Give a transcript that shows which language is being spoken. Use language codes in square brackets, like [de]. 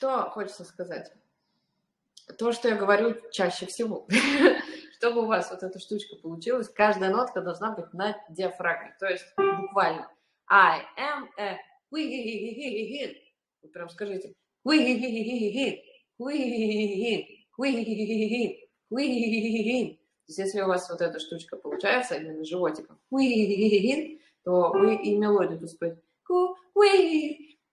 [ru] Хочется сказать то, что я говорю чаще всего, чтобы у вас вот эта штучка получилась, каждая нотка должна быть на диафрагме, то есть буквально [en] I am a queen. [ru] Вы прям скажите queen, queen, queen, queen. Если у вас вот эта штучка получается именно животиком queen, то вы и мелодию будете